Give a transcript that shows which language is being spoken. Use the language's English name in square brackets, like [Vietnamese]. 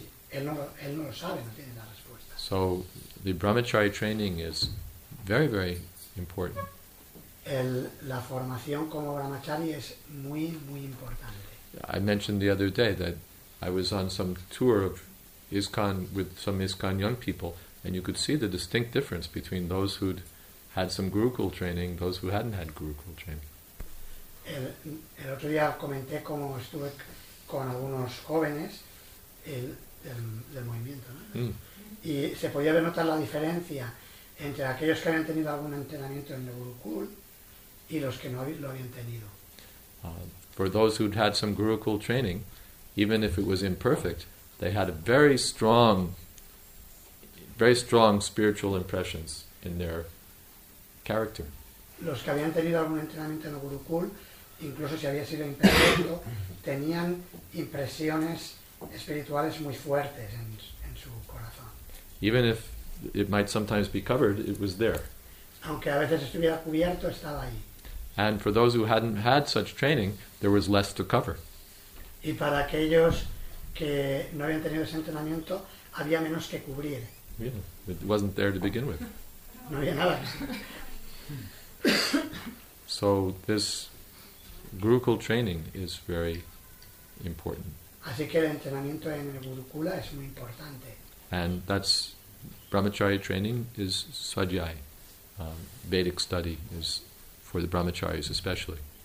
[Spanish] Él no lo sabe, no tiene la respuesta. [English] So the brahmachari training is very, very important. [Spanish] La formación como brahmachari es muy, muy importante. [English] I mentioned the other day that I was on some tour of ISKCON with some ISKCON young people, and you could see the distinct difference between those who'd had some Gurukul training, those who hadn't had Gurukul training. [Spanish] El otro día comenté cómo estuve con algunos jóvenes del movimiento, ¿no? Y se podía ver notar la diferencia entre aquellos que habían tenido algún entrenamiento en el Gurukul y los que no lo habían tenido. [English] For those who'd had some Gurukul training, even if it was imperfect, they had a very strong spiritual impressions in their character. [Spanish] Los que habían tenido algún entrenamiento en el Gurukul, incluso si había sido imperfecto, tenían impresiones espirituales muy fuertes en su corazón. [English] Even if it might sometimes be covered, it was there. [Spanish] Aunque a veces estuviera cubierto, estaba ahí. [English] And for those who hadn't had such training, there was less to cover. [Spanish] Y para aquellos que no habían tenido ese entrenamiento, había menos que cubrir. [English] Yeah, it wasn't there to begin with. [Spanish] No había nada. [English] So this Gurukul training is very important. [Spanish] Así que el entrenamiento en el Gurukula es muy importante. [English] And that's Brahmacharya training is Swadhyay. Vedic study is for the Brahmacharyas especially.